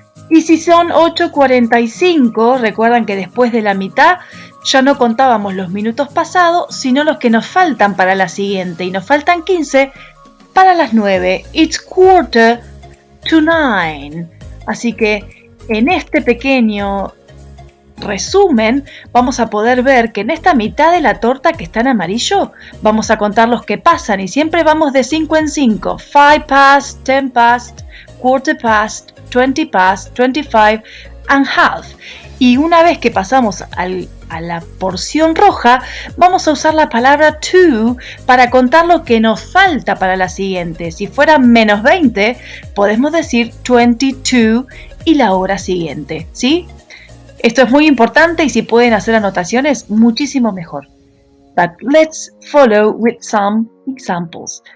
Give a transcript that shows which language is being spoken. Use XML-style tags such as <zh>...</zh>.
<es>Y si son 8:45, recuerdan que después de la mitad ya no contábamos los minutos pasados, sino los que nos faltan para la siguiente, y nos faltan 15 para las 9.</es> <en>It's 8:45.</en> <es>Así que en este pequeño resumen vamos a poder ver que en esta mitad de la torta que está en amarillo vamos a contar los que pasan y siempre vamos de 5 en 5.</es> <en>5 past, 10 past, quarter past, 20 past, 25 and half.</en> <es>Y una vez que pasamos a la porción roja, vamos a usar la palabra to para contar lo que nos falta para la siguiente. Si fuera menos 20, podemos decir 22 y la hora siguiente, ¿sí? Esto es muy importante y si pueden hacer anotaciones, muchísimo mejor.</es> <en>But let's follow with some examples.</en>